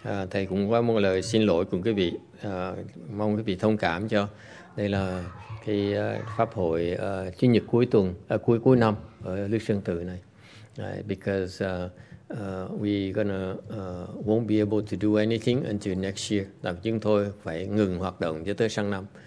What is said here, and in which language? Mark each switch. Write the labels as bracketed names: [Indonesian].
[Vietnamese] Thầy cũng có một lời xin lỗi cùng quý vị, mong quý vị thông cảm cho đây là cái pháp hội chủ nhật cuối tuần, cuối năm ở Lư Sơn Tự này. [English] Because won't be able to do anything until next year. [Vietnamese] Đặc chứng thôi phải ngừng hoạt động cho tới sang năm.